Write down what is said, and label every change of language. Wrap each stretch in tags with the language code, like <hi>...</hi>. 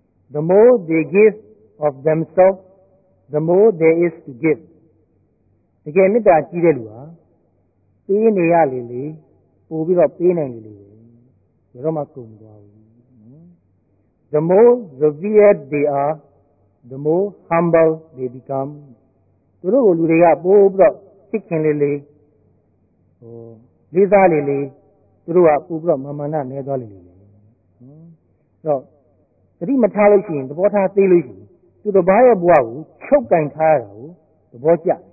<en>The more they give of themselves, the more there is to give.</en> <my>တကယ်မေတ္တာကြီးတဲ့လူဟာပေးနေရလေလေပို့ပြီးတော့ပေးနိုင်လေလေဘယ်တော့မှကုန်သွားဘူး</my> <en>The more severe they are, the more humble they become.</en> <my>သူတို့လူတွေကပို့ပြီးတော့ချစ်ခင်လေလေဟိုလေးစားလေလေသူတို့ကပို့ပြီးတော့မာမနနေသွားလေလေအဲ့တော့သတိမထားလို့ရှိရင်သဘောထားသိလို့ရှိရင်သူတို့ဘာရဲ့ဘဝကိုချုပ်ကန်ထားရတာကိုသဘောကျ</my>